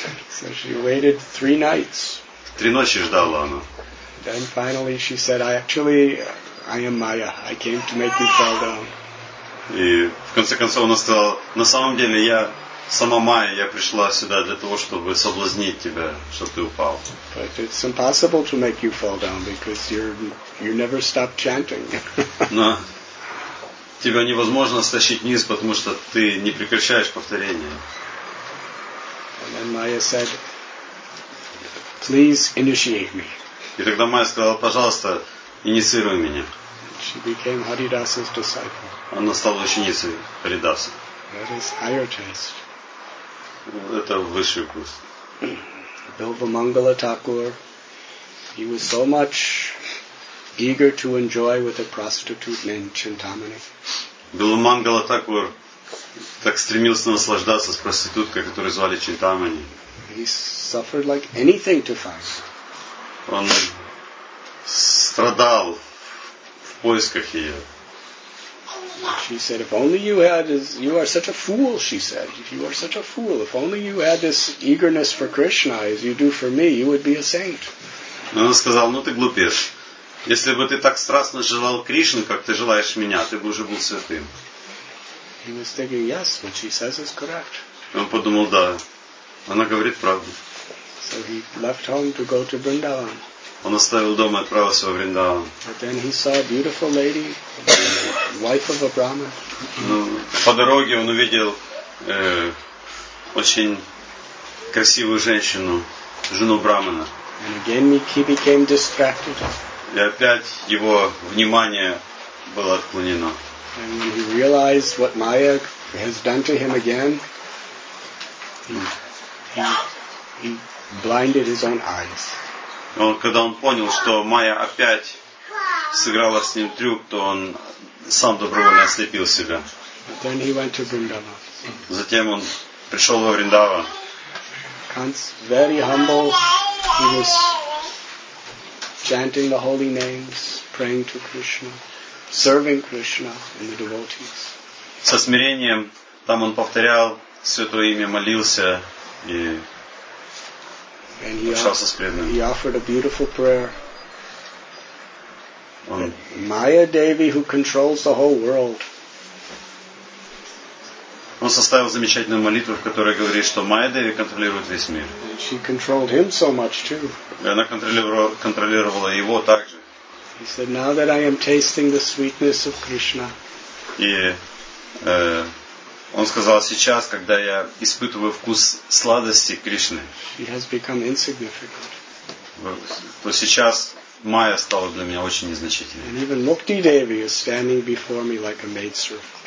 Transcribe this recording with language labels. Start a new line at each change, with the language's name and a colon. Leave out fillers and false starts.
English: So she waited three nights.
Russian: Три ночи ждала она.
English: Then finally she said, I am Maya. I came to make you fall down.
Russian: И в конце концов она сказала, на самом деле я сама Майя, я пришла сюда для того, чтобы соблазнить тебя, чтобы ты упал.
English: But it's impossible to make you fall down because you never stop chanting.
Russian: Но тебя невозможно стащить вниз, потому что ты не прекращаешь повторение.
English: And then Maya said, please initiate me.
Russian: И тогда Майя сказала, пожалуйста, инициируй меня.
English: She became Haridas's disciple.
Russian: Она стала ученицей Харидаса.
English: That is higher taste.
Russian: Это высший вкус.
English: Bilva Mangala Thakur, he was so much eager to enjoy with a prostitute named Chintamani.
Russian: Bilva Mangala Thakur так стремился наслаждаться с проституткой, которую звали Чинтамани.
English: He suffered like anything to find.
Russian: Он страдал в поисках ее.
English: She said, if only you had this, you are such a fool, she said. You are such a fool. If only you had this eagerness for Krishna as you do for me, you would be a saint.
Russian: Она сказала, ну ты глупец. Если бы ты так страстно желал Кришну, как ты желаешь меня, ты бы уже был святым.
English: He was thinking, yes, what she says is correct.
Russian: Он подумал, да. Она говорит правду.
English: So he left home to go to Vrindavan.
Russian: Он оставил дом и отправился во Вриндаван.
English: But then he saw a beautiful lady, wife of a Brahmin.
Russian: Ну, по дороге он увидел очень красивую женщину, жену Брамана.
English: And again he became distracted.
Russian: И опять его внимание было отклонено.
English: And when he realized what Maya has done to him again, he blinded his own eyes.
Russian: Но когда он понял, что Майя опять сыграла с ним трюк, то он сам добровольно ослепил себя.
English: Then he went to Vrindavan.
Russian: Затем он пришел во Вриндаван.
English: Kans, very humble, he was chanting the holy names, praying to Krishna, serving Krishna and the devotees.
Russian: Со смирением там он повторял святое имя, молился и
English: He offered a beautiful prayer. Maya Devi, who controls the whole world,
Russian: Он составил замечательную молитву, в которой говорит, что Майя Деви контролирует весь мир.
English: She controlled him so much too.
Russian: И она контролировала его также.
English: He said, now that I am tasting the sweetness of Krishna.
Russian: И он сказал, сейчас, когда я испытываю вкус сладости Кришны,
English: she has become insignificant.
Russian: То сейчас Майя стала для меня очень незначительной.
English: And even Mukti Devi is standing before me like a maidservant.